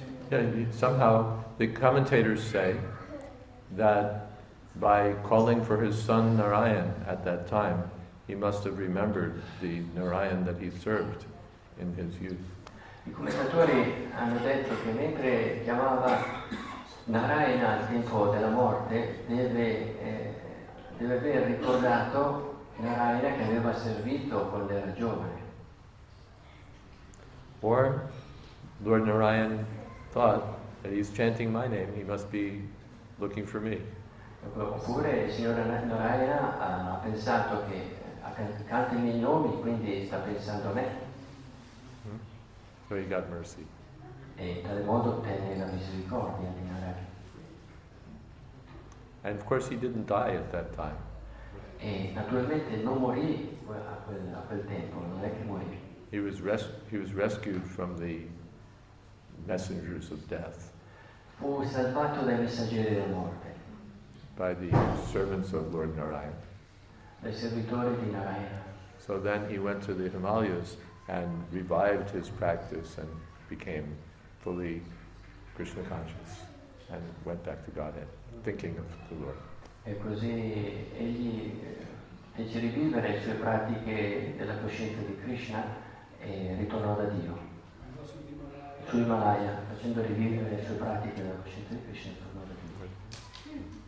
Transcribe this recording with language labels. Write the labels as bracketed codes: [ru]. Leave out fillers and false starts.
[en] Yeah, somehow the commentators say that by calling for his son Narayan at that time, he must have remembered the Narayan that he served in his youth. [it] I commentatori hanno detto che mentre chiamava Narayana al tempo della morte deve aver ricordato Narayana che aveva servito quando era giovane. [en] Or Lord Narayan thought that he's chanting my name, he must be looking for me. [it] Oppure il signor Narayana ha pensato che canta i miei nomi, quindi sta pensando a me. [en] So he got mercy. [it] E in tale modo ottenne la misericordia di Narayana. [en] And of course he didn't die at that time. [it] E naturalmente non morì a quel tempo, non è che morì. [en] He was rescued from the messengers of death. [it] Fu salvato dai messaggeri della morte. [en] By the servants of Lord Narayana. [it] Dai servitori di Narayana. [en] So then he went to the Himalayas and revived his practice and became fully Krishna conscious and went back to Godhead. Thinking of the Lord. [it] E così egli fece rivivere le sue pratiche della coscienza di Krishna e ritornò da Dio. Su Himalaya, facendo rivivere le sue pratiche della coscienza di Krishna, tornò da Dio.